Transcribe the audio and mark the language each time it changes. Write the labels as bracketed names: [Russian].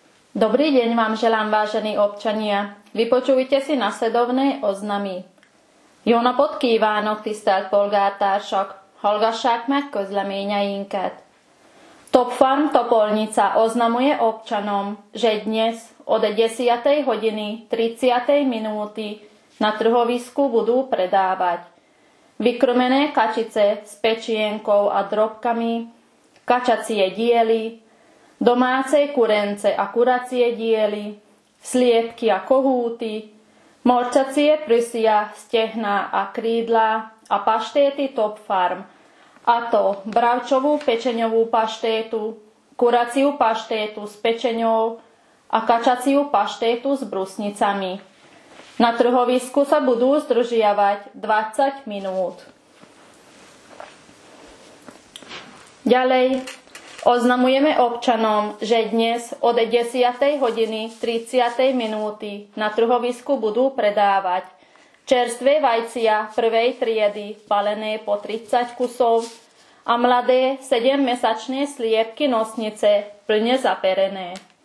[Slovak] Dobrý deň vám želám, vážení občania. Vypočujte si nasledovné oznamy. [Hungarian] Jó napot kívánok, tisztelt polgártársak! Hallgassák meg közleményeinket! [Slovak] Top Farm Topolnica oznamuje občanom, že dnes od 10. hodiny 30. minúty na trhovisku budú predávať vykrmené kačice s pečienkou a drobkami, kačacie diely, domácej kurence a kuracie diely, sliepky a kohúty, morčacie prsia, stehná a krídla a paštéty Top Farm, a to bravčovú pečeňovú paštétu, kuraciu paštétu s pečeňou a kačaciu paštétu s brusnicami. Na trhovisku sa budú zdržiavať 20 minút. Ďalej. Oznamujeme občanom, že dnes od 10. hodiny 30. minúty na trhovisku budú predávať čerstvé vajcia prvej triedy balené po 30 kusov a mladé 7-mesačné sliepky nosnice plne zaperené.